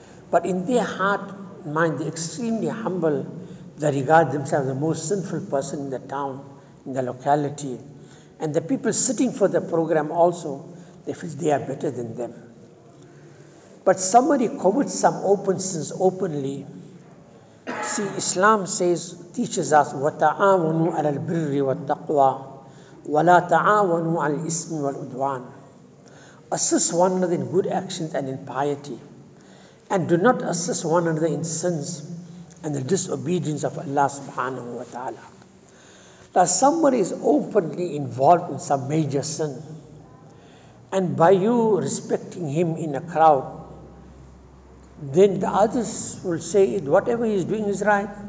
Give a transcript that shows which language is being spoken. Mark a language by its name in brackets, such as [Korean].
[English] But in their heart, mind, they're extremely humble. They regard themselves the most sinful person in the town, in the locality. And the people sitting for the program also, they feel they are better than them. But somebody covets some open sins openly. See, Islam says, teaches us, [Arabic] وَتَعَاوَنُوا عَلَى الْبِرِّ وَالتَّقْوَى وَلَا تَعَاوَنُوا عَلَى الْإِسْمِ وَالْعُدْوَانِ. [English] Assist one another in good actions and in piety. And do not assist one another in sins and the disobedience of Allah subhanahu wa ta'ala. Now somebody is openly involved in some major sin. And by you respecting him in a crowd, then the others will say, whatever he is doing is right.